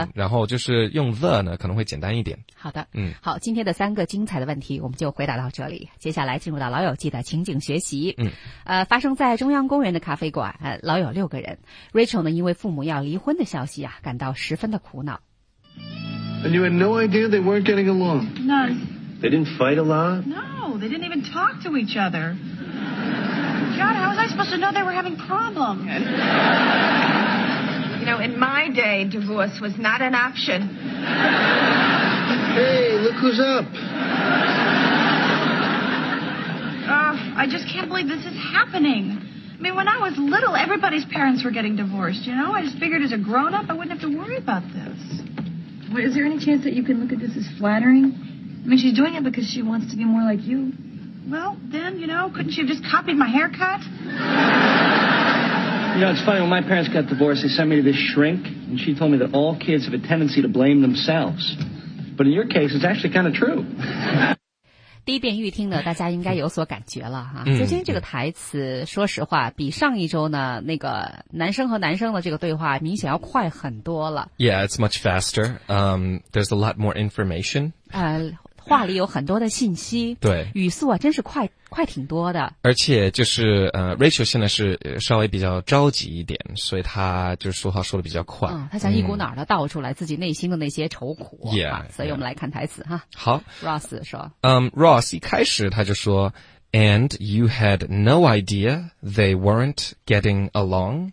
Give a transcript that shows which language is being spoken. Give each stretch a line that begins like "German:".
Chinese: 然后就是用 the 呢，可能会简单一点。好的，嗯，好，今天的三个精彩的问题我们就回答到这里，接下来进入到老友记的情景学习。发生在中央公园的咖啡馆，老友六个人 ，Rachel 呢因为父母要离婚的消息啊，感到十分的苦恼。
English: And you had no idea they weren't getting along? None. They didn't fight a lot? No, they didn't even talk to each other. John, how was I supposed to know they were having problems? You know, in my day, divorce was not an option. Hey, look who's up. I just can't believe this is happening. I mean, when I was little, everybody's parents were getting divorced, you know? I just figured as a grown-up, I wouldn't have to worry about this. Is there any chance that you can look at this as flattering? I mean, she's doing it because she wants to be more like you. Well, then, you know, couldn't she have just copied my haircut? You know, it's funny, when my parents got divorced, they sent me to this shrink, and she told me that all kids have a tendency to blame themselves. But in your case, it's actually kind of true.
Chinese: 第一遍预听的大家应该有所感觉了哈，今天这个台词说实话比上一周呢那个男生和男生的这个对话明显要快很多了。
English: Yeah, it's much faster. There's a lot more information.
Chinese: 话里有很多的信息。对。语速啊真是快挺多的。而且就是Rachel 现在是稍微比较着急一点，所以他就是说话说的比较快。他想一股脑的倒出来自己内心的那些愁苦。
English: Yeah,
Chinese: 所以我们来看台词哈。好。 Ross 说。
English: Ross
Chinese: 一开始他就说
English: ,and you had no idea they weren't getting along?